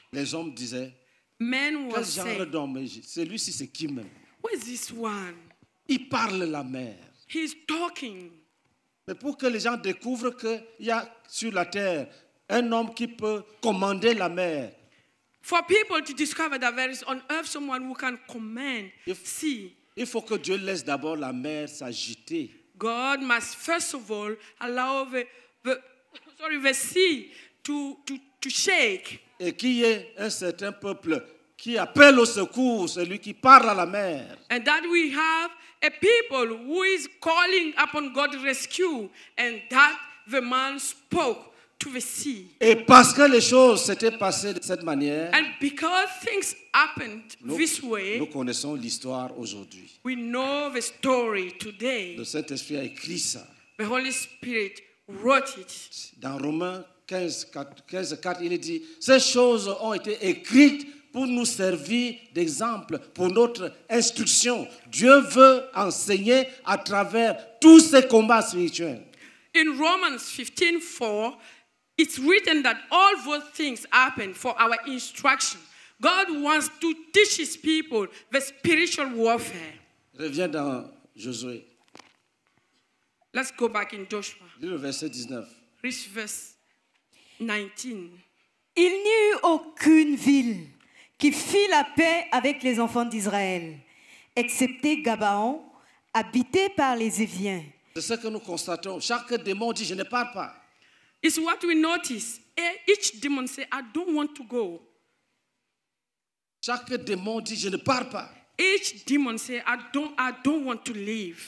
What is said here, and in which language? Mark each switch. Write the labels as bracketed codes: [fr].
[fr] Les hommes disaient. [en] Men [fr] quel genre d'homme est celui-ci? C'est qui même? [en] Who is this one? [fr] Il parle la mer. [en] He's talking. [fr] Mais pour que les gens découvrent qu'il y a sur la terre un homme qui peut commander la mer. [en] For people to discover that there is on earth someone who can command sea. [fr] Il faut que Dieu laisse d'abord la mer s'agiter. [en] God must first of all allow the sea to shake. [fr] Et qu'il y ait un certain peuple qui appelle au secours celui qui parle à la mer. [en] And that we have a people who is calling upon God's rescue and that the man spoke to the sea. [fr] Et parce que les choses s'étaient passées de cette manière, [en] and because things happened [fr] nous, [en] this way, [fr] nous connaissons l'histoire aujourd'hui. [en] We know the story today. [fr] Le Saint-Esprit a écrit ça. [en] The Holy Spirit wrote it. [fr] Dans Romains 15:4, il dit, ces choses ont été écrites pour nous servir d'exemple, pour notre instruction. Dieu veut enseigner à travers tous ces combats spirituels. [en] In Romans 15:4, it's written that all those things happen for our instruction. God wants to teach his people the spiritual warfare. [fr] Reviens dans Josué. [en] Let's go back in Joshua. [fr] Lis le verset 19. [en] Read verse 19. [fr] Il n'y eut aucune ville qui fit la paix avec les enfants d'Israël, excepté Gabaon, habité par les Éviens. C'est ce que nous constatons. Chaque démon dit, je ne pars pas. [en] It's what we notice. Each demon say, I don't want to go. [fr] Chaque démon dit, je ne pars pas. [en] Each demon say, I don't want to leave.